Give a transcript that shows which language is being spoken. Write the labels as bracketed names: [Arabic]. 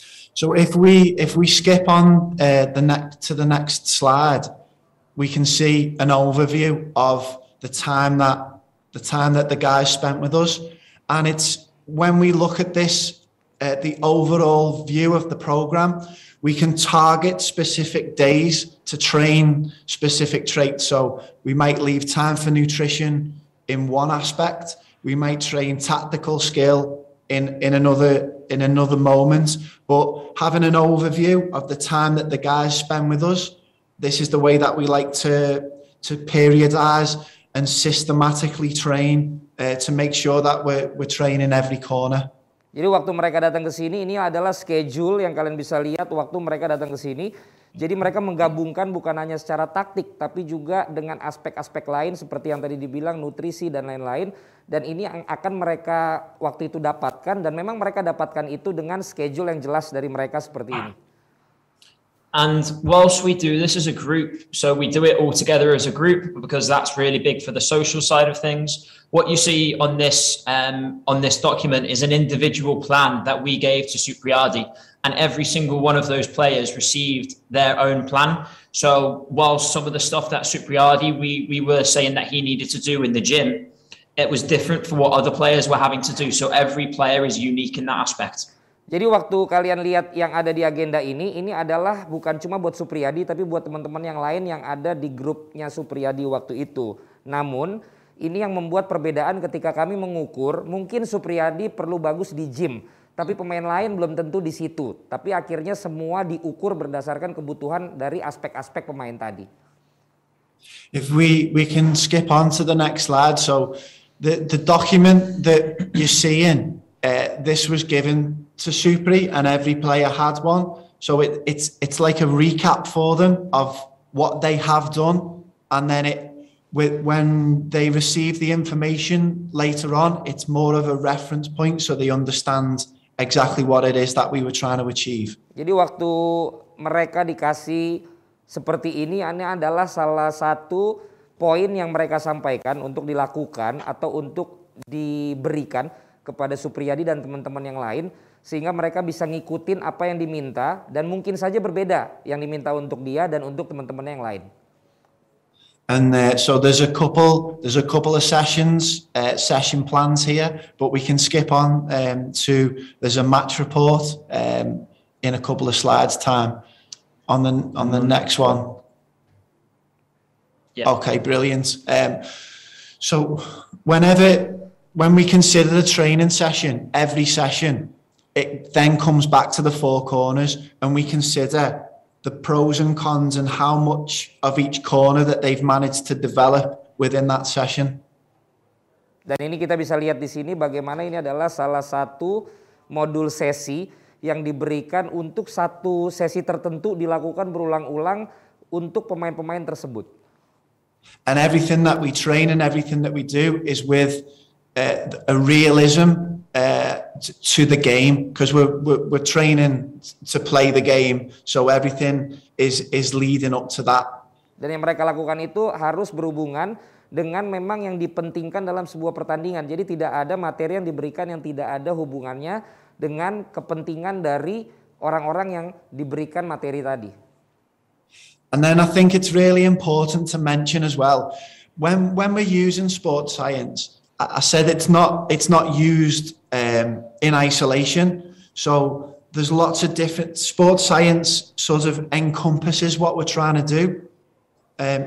[English] So if we skip on to the next slide, we can see an overview of the time that the time that the guys spent with us. And it's when we look at this, at the overall view of the program, we can target specific days to train specific traits. So we might leave time for nutrition in one aspect. We might train tactical skill in another moment. But having an overview of the time that the guys spend with us, this is the way that we like to periodize and systematically train to make sure that we're training every corner. [Indonesian] Jadi waktu mereka datang ke sini, ini adalah schedule yang kalian bisa lihat waktu mereka datang ke sini. Jadi mereka menggabungkan bukan hanya secara taktik, tapi juga dengan aspek-aspek lain seperti yang tadi dibilang, nutrisi dan lain-lain. Dan ini yang akan mereka waktu itu dapatkan, dan memang mereka dapatkan itu dengan schedule yang jelas dari mereka seperti ini. [English] And whilst we do this as a group, so we do it all together as a group because that's really big for the social side of things. What you see on this document is an individual plan that we gave to Supriadi, and every single one of those players received their own plan. So whilst some of the stuff that Supriadi we were saying that he needed to do in the gym, it was different for what other players were having to do. So every player is unique in that aspect. [Indonesian] Jadi waktu kalian lihat yang ada di agenda ini adalah bukan cuma buat Supriadi tapi buat teman-teman yang lain yang ada di grupnya Supriadi waktu itu. Namun ini yang membuat perbedaan ketika kami mengukur, mungkin Supriadi perlu bagus di gym, tapi pemain lain belum tentu di situ. Tapi akhirnya semua diukur berdasarkan kebutuhan dari aspek-aspek pemain tadi. [English] If we can skip on to the next slide, so the document that you're seeing, this was given to Supri and every player had one. So it's like a recap for them of what they have done. And then when they receive the information later on, it's more of a reference point so they understand exactly what it is that we were trying to achieve. [Indonesian] Jadi waktu mereka dikasih seperti ini adalah salah satu poin yang mereka sampaikan untuk dilakukan atau untuk diberikan kepada Supriadi dan teman-teman yang lain, sehingga mereka bisa ngikutin apa yang diminta dan mungkin saja berbeda yang diminta untuk dia dan untuk teman-temannya yang lain. [English] And so there's a couple of sessions, session plans here, but we can skip on to there's a match report in a couple of slides time on the next one. Yeah. Okay, brilliant. So when we consider the training session, every session, it then comes back to the four corners and we consider the pros and cons and how much of each corner that they've managed to develop within that session. [Indonesian] Dan ini kita bisa lihat di sini bagaimana ini adalah salah satu modul sesi yang diberikan untuk satu sesi tertentu dilakukan berulang-ulang untuk pemain-pemain tersebut. [English] And everything that we train and everything that we do is with a realism to the game, because we're training to play the game, so everything is leading up to that. [Indonesian] Dan yang mereka lakukan itu harus berhubungan dengan memang yang dipentingkan dalam sebuah pertandingan. Jadi tidak ada materi yang diberikan yang tidak ada hubungannya dengan kepentingan dari orang-orang yang diberikan materi tadi. [English] And then I think it's really important to mention as well, when we're using sports science, I said it's not used in isolation. So there's lots of different sports science sort of encompasses what we're trying to do.